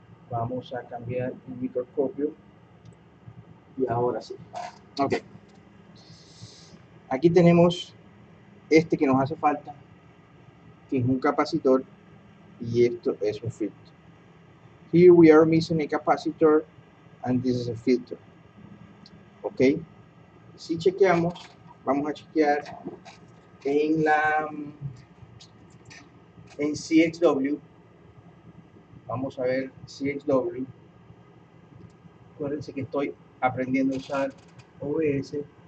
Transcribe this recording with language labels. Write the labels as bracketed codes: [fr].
[es] Vamos a cambiar el microscopio. Y ahora sí. Ok. Aquí tenemos este que nos hace falta, que es un capacitor, y esto es un filtro. [en] Here we are missing a capacitor, and this is a filter. [es] Ok. Si chequeamos, vamos a chequear en la, en CXW. Vamos a ver CXW. Acuérdense que estoy aprendiendo a usar OBS.